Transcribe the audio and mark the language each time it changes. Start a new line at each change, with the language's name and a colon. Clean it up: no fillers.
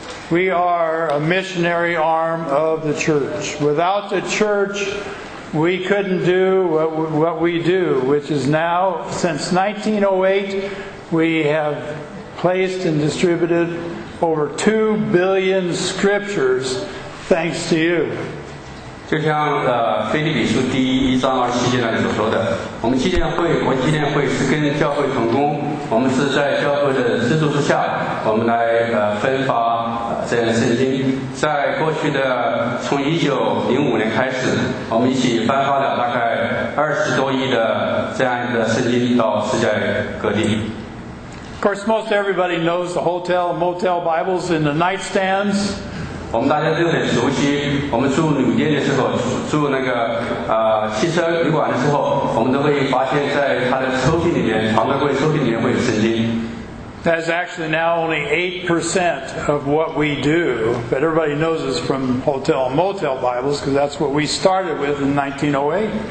English: We are a missionary arm of the church. Without the church, we couldn't do what we do, which is now, since 1908, we have placed and distributed over 2 billion scriptures, thanks to you.
Chinese: 就像腓立比书第一章二七节那里所说的，我们基甸会，国际基甸会是跟教会同工，我们是在教会的资助之下，我们来分发这样的圣经。在过去的从1905年开始，我们一起颁发了大概20多亿的这样的圣经到世界各地。
English: Of course, most everybody knows the hotel motel Bibles in the nightstands.
Chinese: 我们大家都很熟悉，我们住旅店的时候，住那个汽车旅馆的时候，我们都会发现，在他的抽屉里面，床头柜抽屉里面会有圣经。
English: That is actually now only 8% of what we do. But everybody knows us from hotel and motel Bibles because that's what we started with in 1908.